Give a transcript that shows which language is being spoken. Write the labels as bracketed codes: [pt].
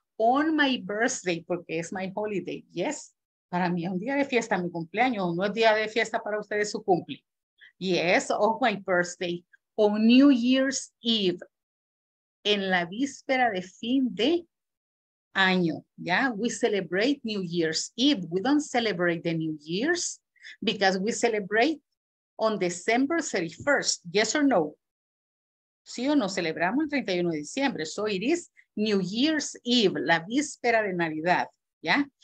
[en] On my birthday, [es] porque es [en] my holiday. [es] Yes, para mí es un día de fiesta, mi cumpleaños. No es día de fiesta para ustedes, su cumple. Yes, [en] on my birthday. on New Year's Eve, [es] en la víspera de fin de año, ¿ya? [en] We celebrate New Year's Eve. We don't celebrate the New Year's because we celebrate on December 31st. Yes or no? [es] Sí o no, celebramos el 31 de diciembre. [en] So it is New Year's Eve, [es] la víspera de Navidad, ¿ya?